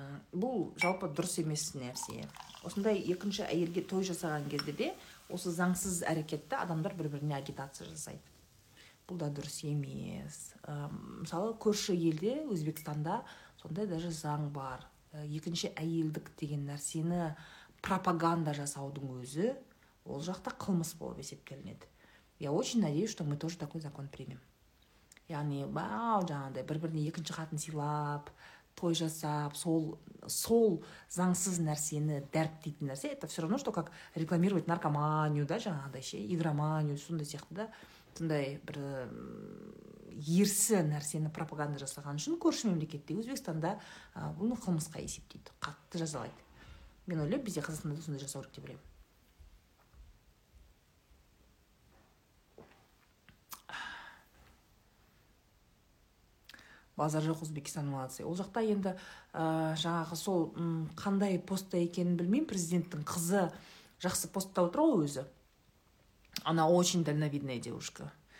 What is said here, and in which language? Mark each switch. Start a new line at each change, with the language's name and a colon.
Kazakh: Бұл жалпы дұрыс емес нәрсе. Осындай екінші әйелге той жасаған кезде де осы заңсыз әрекетті адамдар бір-біріне агитация жасайды. Бұл да дұрыс емес. Мысалы, көрші елде, Өзбекстанда сондай даже заң бар. Екінші әйелдік деген нәрсені пропаганда жасаудың өзі ол жақта қылмыс болып есептелінеді.
Russian: Я очень надеюсь, что мы тоже такой закон примем.
Kazakh: Яғни, бау жаңандай, бір-біріне екінші қатын сыйлап, той жасап, сол заңсыз нәрсені дәріптейтін нәрсе,
Russian: это все равно, что как рекламировать наркоманию,
Kazakh: да, жаңандай, игроманию, сондай сияқты, да, сондай бір ерсі нәрсені пропаганда жасаған үшін көрші мемлекетте, Өзбекстанда бұны қылмысқа есептейді, қатты жазалайды. Мен ойлап, бізде Қазақстанда сондай жасау керек деп ойлаймын. Базар жоқ Өзбекстан молодцы. Ол жақта енді жаңағы сол қандай постта екенін білмеймін. Президенттің қызы жақсы постта отыр ғой өзі.
Russian: Она очень дальновидная девушка.